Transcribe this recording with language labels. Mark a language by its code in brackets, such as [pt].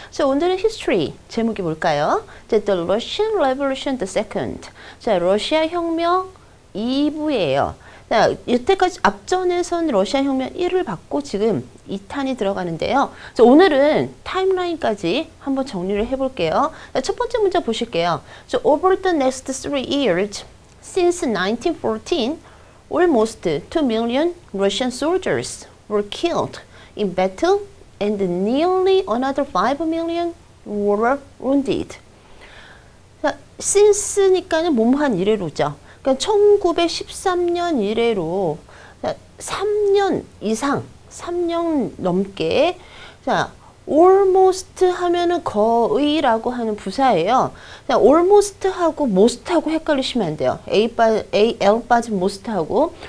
[en] So, [ko] 오늘은 [en] history. [ko] 제목이 뭘까요? [en] The Russian Revolution the Second. [ko] 자, 러시아 혁명 2부예요. 자, 여태까지 앞전에선 러시아 혁명 1을 봤고 지금 2탄이 들어가는데요. 자, 오늘은 타임라인까지 한번 정리를 해볼게요. 자, 첫 번째 문제 보실게요. [en] So, over the next 3 years, since 1914, almost 2 million Russian soldiers were killed in battle and nearly another 5 million were wounded. [ko] 자, since니까는 뭐뭐한 이래로죠. 그러니까 1913년 이래로 3년 이상, 3년 넘게 자, almost 하면은 거의라고 하는 부사예요. almost 하고 most 하고 헷갈리시면 안 돼요. al 빠진 most 하고.